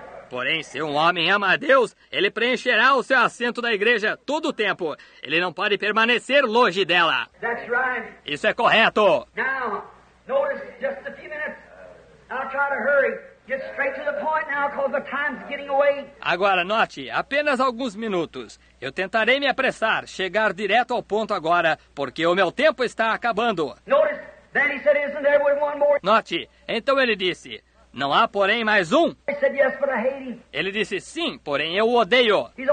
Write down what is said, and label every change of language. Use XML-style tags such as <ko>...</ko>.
<pt>Porém, se um homem ama a Deus, ele preencherá o seu assento da igreja todo o tempo. Ele não pode permanecer longe dela.</pt> <en>That's right.</en> <pt>Isso é correto.</pt> <en>Now, notice just a few minutes. I'll try to hurry. Get straight to the point now, because the time's getting away.</en> <pt>Agora, note, apenas alguns minutos. Eu tentarei me apressar, chegar direto ao ponto agora, porque o meu tempo está acabando.</pt> <en>Notice, then he said, isn't there one more?</en> <pt>Note, então ele disse, não há, porém, mais um? Ele disse, sim, porém, eu o odeio.</pt>